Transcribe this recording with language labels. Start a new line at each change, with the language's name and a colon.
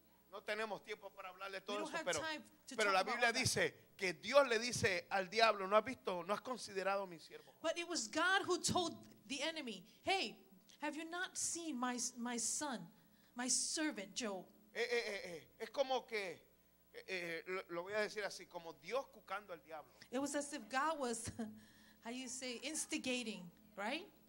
Spanish: No tenemos tiempo para hablar de todo
English: we
Spanish: eso, pero la Biblia dice que Dios le dice al diablo, no has visto, no has considerado mi siervo.
English: But it was God who told the enemy, hey, have you not seen my son, my servant Job?
Spanish: Es como que lo voy a decir así, como Dios cucando al diablo.
English: It was as if God was, how you say, instigating, right?